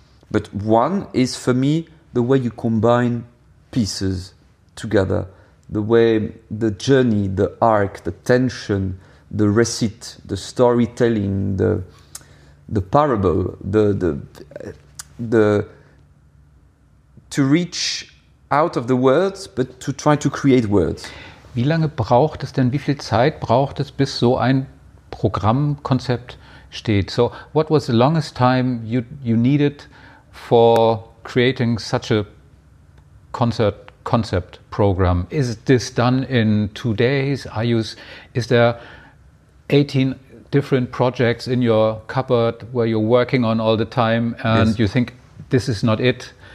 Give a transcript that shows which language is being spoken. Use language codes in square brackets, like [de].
[en] But one is, for me, the way you combine pieces together, the way the journey, the arc, the tension, the receipt, the storytelling, the parable, the to reach out of the words, but to try to create words. [de] Wie lange braucht es denn, wie viel Zeit braucht es, bis so ein Programmkonzept steht? [en] So what was the longest time you needed for creating such a concept program? Is this done in 2 days? Is there 18 different projects in your cupboard where you're working on all the time and yes. You think this is not it?